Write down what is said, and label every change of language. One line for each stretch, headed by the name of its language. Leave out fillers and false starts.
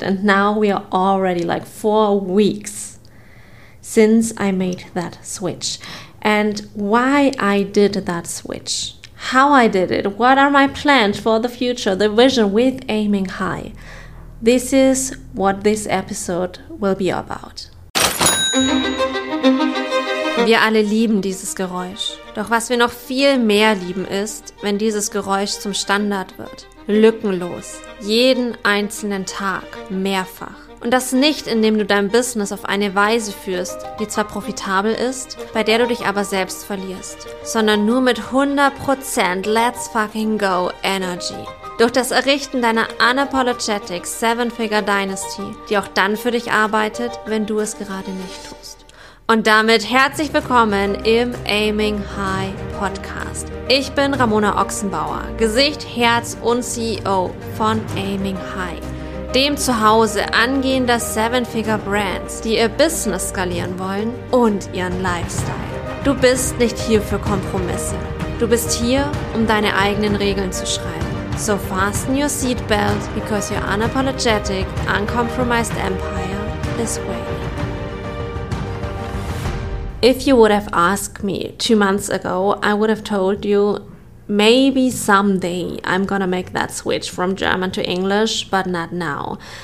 English: And now we are already like 4 weeks since I made that switch. And why I did that switch, how I did it, what are my plans for the future, the vision with Aiming High. This is what this episode will be about.
German: Wir alle lieben dieses Geräusch. Doch was wir noch viel mehr lieben ist, wenn dieses Geräusch zum Standard wird. Lückenlos. Jeden einzelnen Tag. Mehrfach. Und das nicht, indem du dein Business auf eine Weise führst, die zwar profitabel ist, bei der du dich aber selbst verlierst, sondern nur mit 100% Let's Fucking Go Energy. Durch das Errichten deiner unapologetic Seven-Figure Dynasty, die auch dann für dich arbeitet, wenn du es gerade nicht tust. Und damit herzlich willkommen im Aiming High Podcast. Ich bin Ramona Ochsenbauer, Gesicht, Herz und CEO von Aiming High. Dem Zuhause angehender Seven-Figure-Brands, die ihr Business skalieren wollen und ihren Lifestyle. Du bist nicht hier für Kompromisse. Du bist hier, um deine eigenen Regeln zu schreiben.
English: So fasten your seatbelt, because your unapologetic, uncompromised empire is waiting. If you would have asked me 2 months ago, I would have told you, maybe someday I'm gonna make that switch from German to English, but not now.